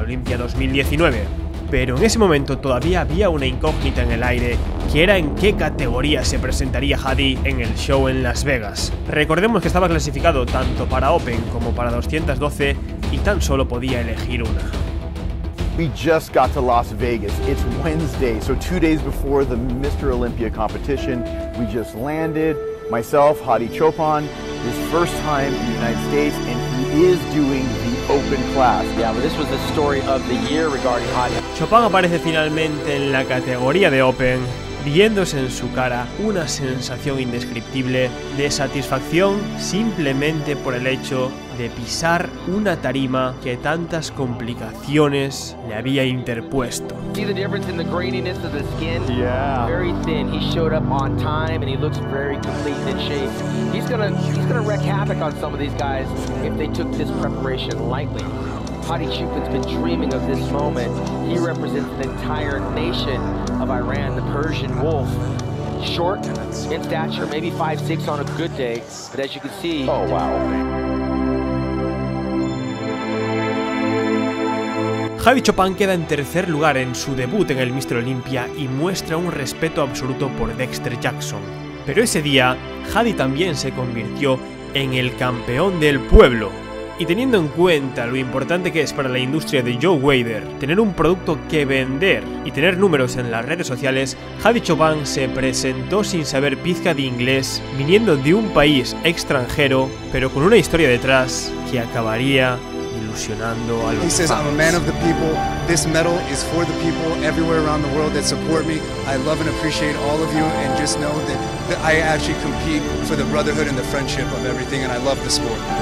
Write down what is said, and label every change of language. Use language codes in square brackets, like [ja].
[es] Olympia 2019. Pero en ese momento todavía había una incógnita en el aire, que era en qué categoría se presentaría Hadi en el show en Las Vegas. Recordemos que estaba clasificado tanto para Open como para 212 y tan solo podía elegir una. [en] We just got to Las Vegas. It's Wednesday, so 2 days before the Mr. Olympia competition. We just landed. Myself, Hadi Chopin, his first time in the United States, and he is doing the Open class. Yeah, but this was the story of the year regarding Hadi. [es] Chopin aparece finalmente en la categoría de Open viéndose en su cara una sensación indescriptible de satisfacción simplemente por el hecho de pisar una tarima que tantas complicaciones le había interpuesto. [en] See the difference in the graininess of the skin? Yeah. Very thin. He showed up on time and he looks very complete in shape. He's gonna wreak havoc on some of these guys if they took this preparation lightly. Hadi Chupin's been dreaming of this moment. He represents an entire nation of Iran, the Persian wolf. Short in stature, maybe 5'6" on a good day, but as you can see, oh wow. [es] Hadi Chupin queda en tercer lugar en su debut en el Mr. Olympia y muestra un respeto absoluto por Dexter Jackson. Pero ese día, Hadi también se convirtió en el campeón del pueblo. Y teniendo en cuenta lo importante que es para la industria de Joe Wader tener un producto que vender y tener números en las redes sociales, Hadi Chupin se presentó sin saber pizca de inglés, viniendo de un país extranjero, pero con una historia detrás que acabaría ilusionando a los fans. [en] He says, I'm a man of the people. This medal is for the people everywhere around the world that support me. I love and appreciate all of you, and just know that I actually compete for the brotherhood and the friendship of everything, and I love the sport.